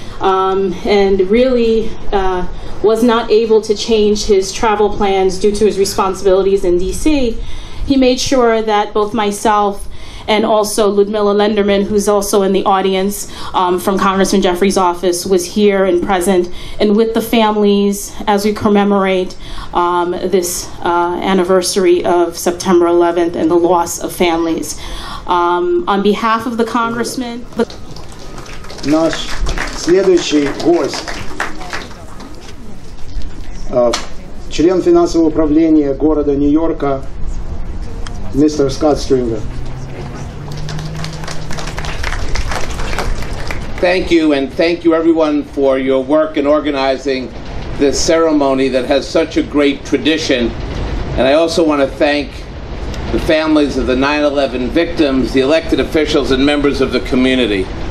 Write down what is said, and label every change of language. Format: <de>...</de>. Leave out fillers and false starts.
<en>And really was not able to change his travel plans due to his responsibilities in D.C., he made sure that both myself and also Ludmilla Lenderman, who's also in the audience from Congressman Jeffries' office, was here and present and with the families as we commemorate this anniversary of September 11th and the loss of families. On behalf of the congressman,</en> <ru>наш следующий гость, член финансового управления города Нью-Йорка, мистер Скотт Стрингер.</ru> <en>Thank you, and thank you everyone for your work in organizing this ceremony that has such a great tradition. And I also want to thank the families of the 9/11 victims, the elected officials, and members of the community.</en>